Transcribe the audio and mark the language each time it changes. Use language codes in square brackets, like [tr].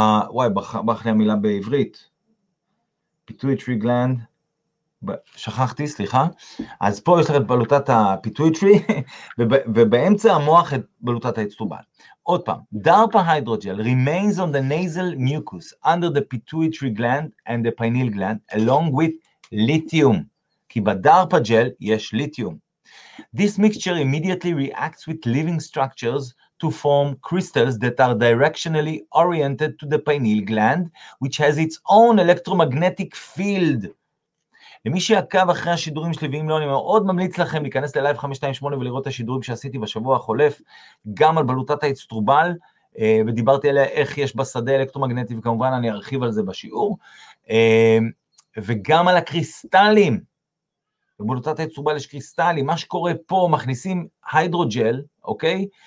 [he] וואי, ברח לי המילה בעברית, pituitary gland, שכחתי, סליחה, אז פה יש לכם בלוטת הפיטויטרי, ובאמצע המוח את בלוטת האצטובל. [en] עוד פעם, DARPA hydrogel remains on the nasal mucus under the pituitary gland and the pineal gland along with lithium, [he] כי בדארפה ג'ל יש ליטיום. [en] This mixture immediately reacts with living structures to form crystals that are directionally oriented to the pineal gland, which has its own electromagnetic field. [he] למי שעקב אחרי השידורים שלי, ואם לא, אני מאוד ממליץ לכם להיכנס ללייב 528 ולראות את השידורים שעשיתי בשבוע החולף, גם על בלוטת האצטרובל, ודיברתי עליה איך יש בשדה אלקטרומגנטי, וכמובן אני ארחיב על זה בשיעור, וגם על הקריסטלים, בבלוטת האצטרובל יש קריסטלים, מה שקורה פה, מכניסים היידרוג'ל, אוקיי?